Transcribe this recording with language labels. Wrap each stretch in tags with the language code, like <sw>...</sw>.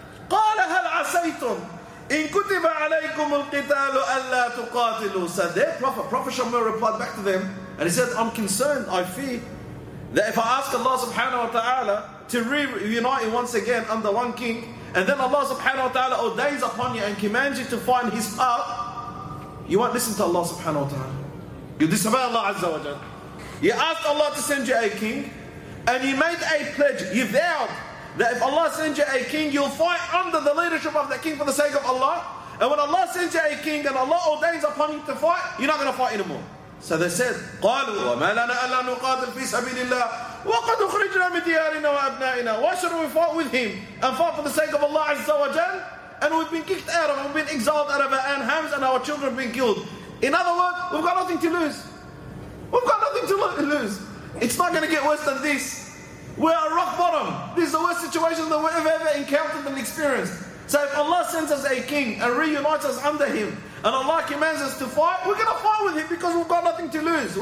<ar>قال هل عسيتم إن كتب عليكم القتال ألا تقاتلوا.</ar> <en>So their prophet, Prophet Shammah replied back to them, and he said, I'm concerned, I fear, that if I ask Allah subhanahu wa ta'ala to reunite once again under one king, and then Allah subhanahu wa ta'ala ordains upon you and commands you to find his path, you won't listen to Allah subhanahu wa ta'ala. You disobey Allah azza wa jal. You ask Allah to send you a king, and you made a pledge, you vowed, that if Allah sends you a king, you'll fight under the leadership of that king for the sake of Allah. And when Allah sends you a king and Allah ordains upon you to fight, you're not going to fight anymore. So they said,</en> <ar>قَالُوا وَمَا لَنَا أَلَّا نُقَاتِلْ فِي سَبِيلِ اللَّهِ وَقَدْ أُخْرِجْنَا مِنْ دِيَارِنَا وَأَبْنَائِنَا.</ar> <en>Why should we fight with him and fight for the sake of Allah Azza wa Jal? And we've been kicked out of, we've been exiled out of our own homes, and our children have been killed. In other words, we've got nothing to lose. We've got nothing to lose. It's not going to get worse than this. We are rock bottom. This is the worst situation that we've ever encountered and experienced. So if Allah sends us a king and reunites us under him, and Allah commands us to fight, we're going to fight with him because we've got nothing to lose.</en>